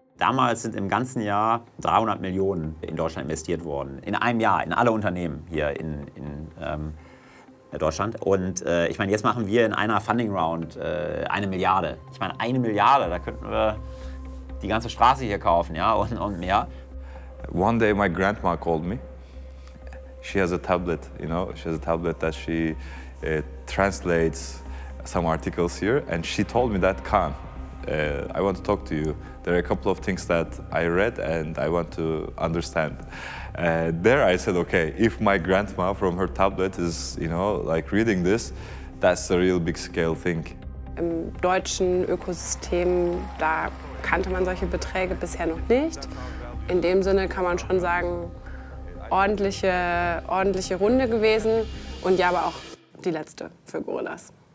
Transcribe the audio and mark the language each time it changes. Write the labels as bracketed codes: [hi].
[de] Damals sind im ganzen Jahr 300 Millionen in Deutschland investiert worden. In einem Jahr, in alle Unternehmen hier in Deutschland. Und ich meine, jetzt machen wir in einer Funding Round eine Milliarde. Ich meine, eine Milliarde, da könnten wir die ganze Straße hier kaufen, ja, und mehr. [en] One day my grandma called me. She has a tablet, you know, she has a tablet that she translates some articles here, and she told me that, Kaan, I want to talk to you. There are a couple of things that I read and I want to understand. There I said, okay, if my grandma from her tablet is, you know, like reading this, that's a real big scale thing. [de] Im deutschen Ökosystem, da kannte man solche Beträge bisher noch nicht. In dem Sinne kann man schon sagen, ordentliche Runde gewesen und ja, aber auch die letzte für Gorillas.